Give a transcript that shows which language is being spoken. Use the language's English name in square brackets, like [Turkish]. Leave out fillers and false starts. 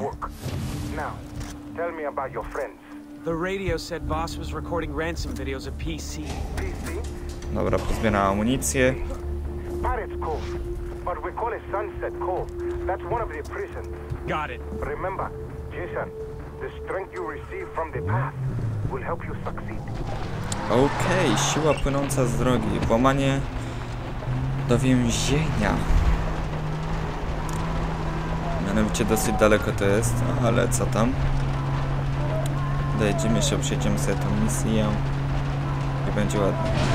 [English] Now, tell me about your friends. The radio said boss was recording ransom videos of PC. [Polish] Dobra, pozbieram amunicję. [English] Pirate's Cove, but we call it Sunset Cove. That's one of the prisons. Got it. Remember, Jason, the strength you receive from the path will help you succeed. [Polish] Okej, siła płynąca z drogi. Włamanie do więzienia. Mianowicie dosyć daleko to jest, ale co tam? Dojedziemy się, przejdziemy sobie tą misję i będzie ładnie.